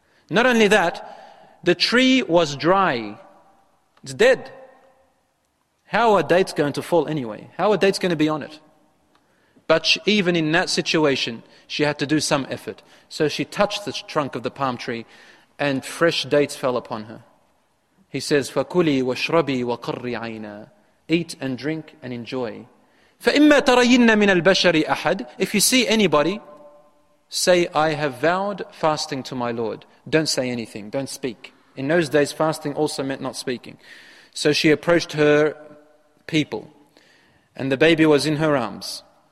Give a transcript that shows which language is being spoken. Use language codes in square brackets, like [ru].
[en] Not only that, the tree was dry. It's dead. How are dates going to fall anyway? How are dates going to be on it? But even in that situation, she had to do some effort. So she touched the trunk of the palm tree and fresh dates fell upon her. He says, [ar] فَكُلِي وَشْرَبِي وَقَرِّي عَيْنَا. [en] Eat and drink and enjoy. [ar] فَإِمَّا تَرَيِّنَّ مِنَ الْبَشَرِ أَحَدٍ. [en] If you see anybody, say, I have vowed fasting to my Lord. Don't say anything, don't speak. In those days, fasting also meant not speaking. So she approached her people and the baby was in her arms.